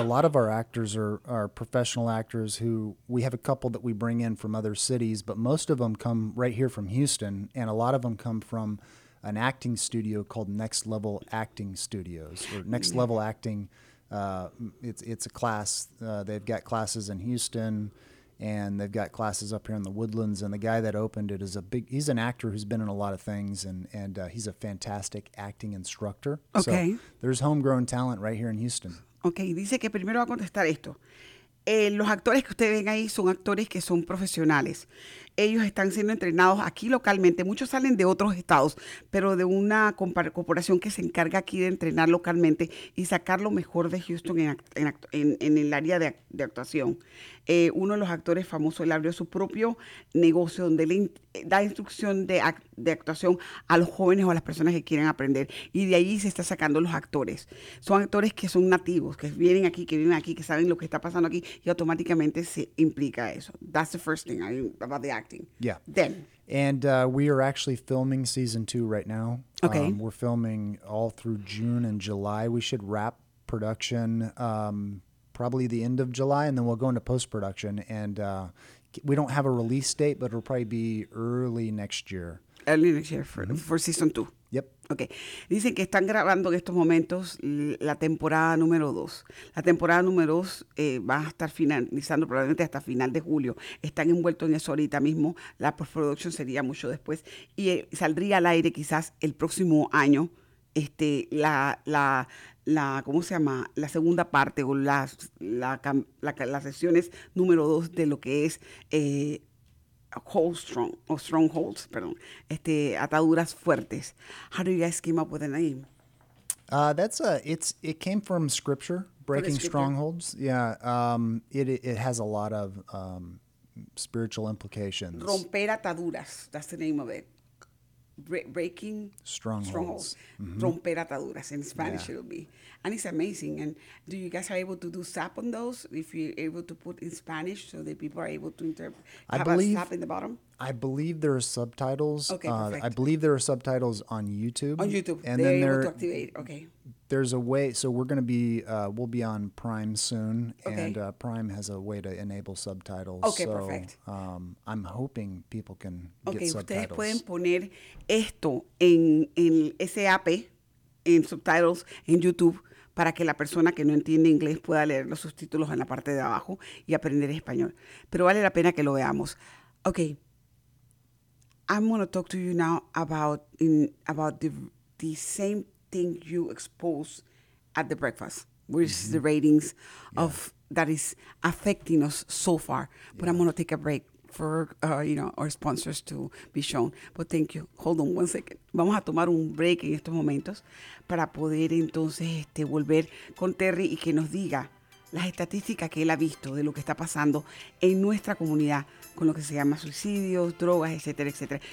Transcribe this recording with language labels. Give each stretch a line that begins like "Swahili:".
English: A lot of our actors are professional actors who, we have a couple that we bring in from other cities, but most of them come right here from Houston, and a lot of them come from an acting studio called Next Level Acting Studios, or Next Level Acting. It's a class. They've got classes in Houston, and they've got classes up here in the Woodlands, and the guy that opened it is a big, he's an actor who's been in a lot of things, and he's a fantastic acting instructor. Okay. So there's homegrown talent right here in Houston.
Spanish: Okay, dice que primero va a contestar esto. Los actores que ustedes ven ahí son actores que son profesionales. Ellos están siendo entrenados aquí localmente. Muchos salen de otros estados, pero de una corporación que se encarga aquí de entrenar localmente y sacar lo mejor de Houston en el área de actuación. Uno de los actores famosos, él abrió su propio negocio donde le da instrucción de actuación a los jóvenes o a las personas que quieren aprender. Y de ahí se está sacando los actores. Son actores que son nativos, que vienen aquí, que viven aquí, que saben lo que está pasando aquí y automáticamente se implica eso.
English: That's the first thing about the acting. Yeah. Then. And we are actually filming season two right now. Okay. We're filming all through June and July. We should wrap production probably the end of July, and then we'll go into post-production. And we don't have a release date, but it'll probably be early next year. Early next year for season two. Yep. Okay.
Spanish: Dicen que están grabando en estos momentos la temporada número dos. La temporada número dos va a estar finalizando probablemente hasta final de julio. Están envueltos en eso ahorita mismo. La post-production sería mucho después. Y saldría al aire quizás el próximo año la ¿cómo se llama? La segunda parte o las sesiones número dos de lo que es strongholds, perdón, ataduras fuertes.
English: How do you guys came up with the name? It came from scripture, breaking scripture. Strongholds. Yeah. It has a lot of spiritual implications. Romper ataduras, that's the name of it. Breaking strongholds. Mm-hmm. Romper ataduras in Spanish, yeah. It'll be. And it's amazing. And do you guys are able to do sap on those? If you're able to put in Spanish so that people are able to interpret, have a sap in the bottom? I believe there are subtitles. Okay, perfect. I believe there are subtitles on YouTube. On YouTube. And they're then able to activate. Okay. There's a way. So we're going to be, we'll be on Prime soon. Okay. And Prime has a way to enable subtitles. Okay, so, perfect. I'm hoping people can get okay, subtitles.
Spanish: Ustedes pueden poner esto en ese app, en subtitles, en YouTube, para que la persona que no entiende inglés pueda leer los subtítulos en la parte de abajo y aprender español. Pero vale la pena que lo veamos. Okay.
English: I'm going to talk to you now about the same thing you expose at the breakfast, which mm-hmm. is the ratings yeah. of that is affecting us so far. But yeah. I'm going to take a break for our sponsors to be shown. But thank you. Hold on one second.
Spanish: Vamos a tomar un break en estos momentos para poder entonces volver con Terry y que nos diga las estadísticas que él ha visto de lo que está pasando en nuestra comunidad con lo que se llama suicidios, drogas, etcétera, etcétera.